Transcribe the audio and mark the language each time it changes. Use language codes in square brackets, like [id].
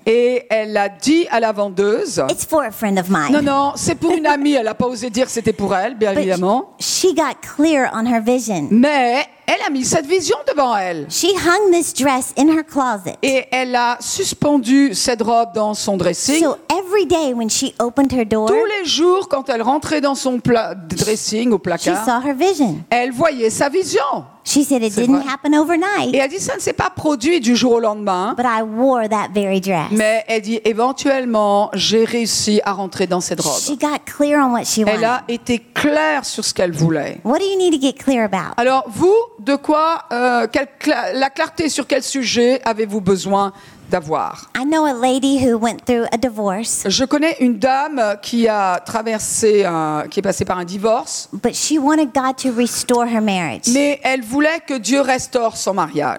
[fr] Et elle a dit à la vendeuse. [en] It's for a friend of mine. [fr] Non, non, c'est pour une amie. Elle n'a pas osé dire que c'était pour elle, bien [en] But [fr] évidemment. [en] She got clear on her vision. [fr] Mais elle a mis cette vision devant elle. [en] She hung this dress in her closet. [fr] Et elle a suspendu cette robe dans son dressing. [en] So every day when she opened her door, [fr] tous les jours quand elle rentrait dans son dressing au placard, [en] she saw her vision. [fr] Elle voyait sa vision. [en] She said it didn't happen overnight. [fr] Et elle dit ça ne s'est pas produit du jour au lendemain. [en] But I wore that very dress. [fr] Mais elle dit éventuellement j'ai réussi à rentrer dans cette robe. [en] She got clear on what she [fr] elle [en] wanted. [fr] A été claire sur ce qu'elle voulait. [en] What do you need to get clear about? [fr] Alors vous, de quoi, la clarté sur quel sujet avez-vous besoin d'avoir? [en] I know a lady who went through a divorce. [fr] Je connais une dame qui a traversé qui est passée par un divorce. [en] But she wanted God to restore her marriage. [fr] Mais elle voulait que Dieu restaure son mariage.